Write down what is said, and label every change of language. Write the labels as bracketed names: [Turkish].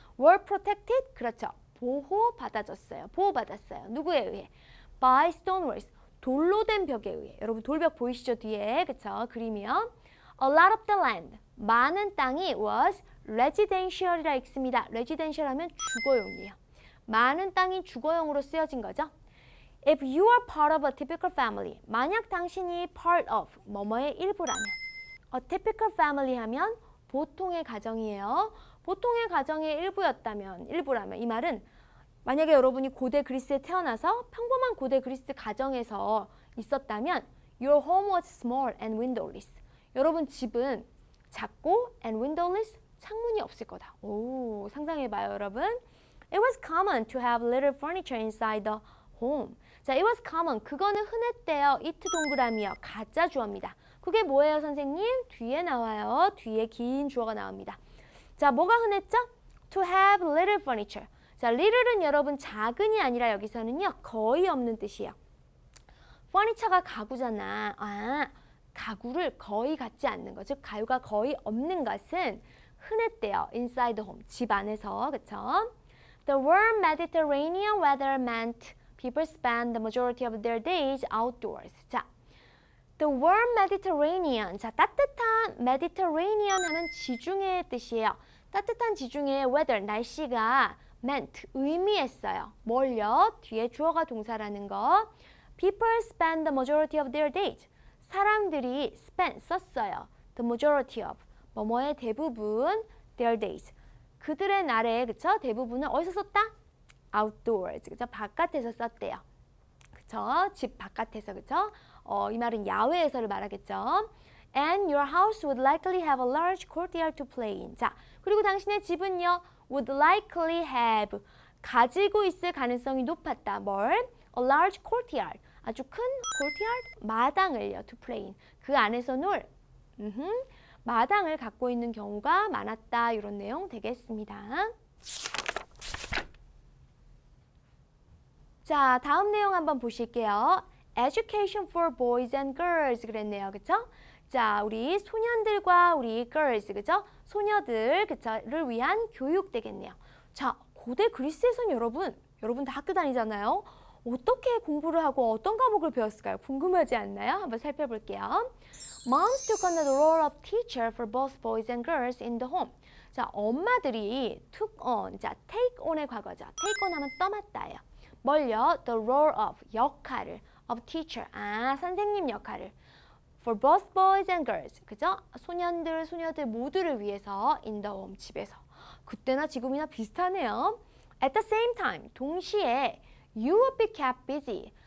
[English] were protected, [Korean] 그렇죠. 보호받아졌어요. 보호받았어요. 누구에 의해? [English] By stone walls. [Korean] 돌로 된 벽에 의해. 여러분 돌벽 보이시죠? 뒤에. 그렇죠? 그림이요. [English] A lot of the land. [Korean] 많은 땅이 was residential이라 읽습니다. residential 하면 주거용이에요. 많은 땅이 주거용으로 쓰여진 거죠. [English] If you are part of a typical family. [Korean] 만약 당신이 part of 뭐뭐의 일부라면. A typical family 하면 보통의 가정이에요. 보통의 가정의 일부였다면, 일부라면 이 말은 만약에 여러분이 고대 그리스에 태어나서 평범한 고대 그리스 가정에서 있었다면 [English] Your home was small and windowless. [Korean] 여러분 집은 작고 and windowless, 창문이 없을 거다. 오, 상상해봐요 여러분. [English] It was common to have little furniture inside the home. [Korean] 자, [English] it was common, [Korean] 그거는 흔했대요. It 동그라미요. 가짜 주어입니다. 그게 뭐예요 선생님? 뒤에 나와요. 뒤에 긴 주어가 나옵니다. 자, 뭐가 흔했죠? [English] To have little furniture. [Korean] 자, little은 여러분 작은이 아니라 여기서는요, 거의 없는 뜻이에요. furniture가 가구잖아. 아, 가구를 거의 갖지 않는 거. 즉, 가구가 거의 없는 것은 흔했대요. inside home, 집 안에서, 그쵸? [English] The warm Mediterranean weather meant people spend the majority of their days outdoors. [Korean] 자, The warm Mediterranean. 자, 따뜻한 Mediterranean 하는 지중해 뜻이에요. 따뜻한 지중해 weather, 날씨가 meant, 의미했어요. 뭘요? 뒤에 주어가 동사라는 거. [English] People spend the majority of their days. [Korean] 사람들이 [English] spend, [Korean] 썼어요. [English] The majority of, [Korean] 뭐뭐의 대부분, [English] their days. [Korean] 그들의 날에, 그쵸? 대부분은 어디서 썼다? Outdoors, 그쵸? 바깥에서 썼대요. 그쵸? 집 바깥에서, 그쵸? 이 말은 야외에서를 말하겠죠. [English] And your house would likely have a large courtyard to play in. [Korean] 자, 그리고 당신의 집은요, would likely have, 가지고 있을 가능성이 높았다. 뭘? [English] A large courtyard. [Korean] 아주 큰 [English] courtyard, [Korean] 마당을요. [English] To play in. [Korean] 그 안에서 놀. 마당을 갖고 있는 경우가 많았다. 이런 내용 되겠습니다. 자, 다음 내용 한번 보실게요. [English] Education for boys and girls [Korean] 그랬네요. 그쵸? 자, 우리 소년들과 우리 girls, 그죠? 소녀들, 그쵸?를 위한 교육 되겠네요. 자, 고대 그리스에서는 여러분 다 학교 다니잖아요. 어떻게 공부를 하고 어떤 과목을 배웠을까요? 궁금하지 않나요? 한번 살펴볼게요. [English] Moms took on the role of teacher for both boys and girls in the home. [Korean] 자, 엄마들이 took on, 자, take on의 과거죠. take on 하면 떠맡다예요. 뭘요? The role of, 역할을. of teacher, 아, 선생님 역할을. For both boys and girls, 그죠? 소년들, 소녀들 모두를 위해서 in the home, 집에서. 그때나 지금이나 비슷하네요. [English] At the same time, [Korean] 동시에 [English] you would be kept busy.